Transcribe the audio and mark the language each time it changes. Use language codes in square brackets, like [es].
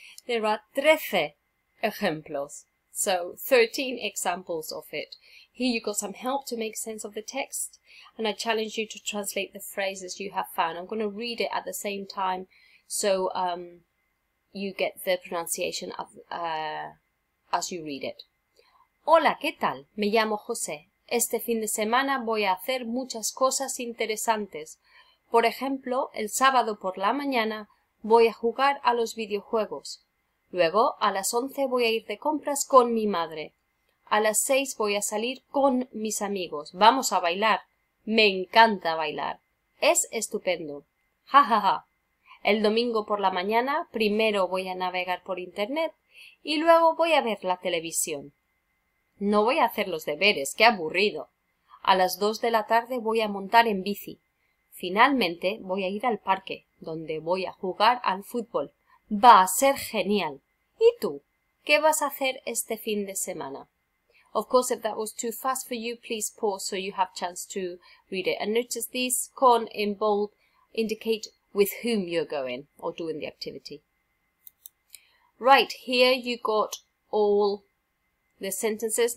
[en] There are 13 ejemplos, so 13 examples of it. Here you've got some help to make sense of the text, and I challenge you to translate the phrases you have found. I'm going to read it at the same time so you get the pronunciation of, as you read it. [es] Hola, ¿qué tal? Me llamo José. Este fin de semana voy a hacer muchas cosas interesantes. Por ejemplo, el sábado por la mañana voy a jugar a los videojuegos. Luego, a las 11 voy a ir de compras con mi madre. A las 6 voy a salir con mis amigos. Vamos a bailar. Me encanta bailar. Es estupendo. Ja, ja, ja. El domingo por la mañana primero voy a navegar por internet y luego voy a ver la televisión. No voy a hacer los deberes. Qué aburrido. A las 2 de la tarde voy a montar en bici. Finalmente voy a ir al parque, donde voy a jugar al fútbol. ¡Va a ser genial! ¿Y tú? ¿Qué vas a hacer este fin de semana? [en] Of course, if that was too fast for you, please pause so you have chance to read it. And notice these con in bold indicate with whom you're going or doing the activity. Right, here you got all the sentences.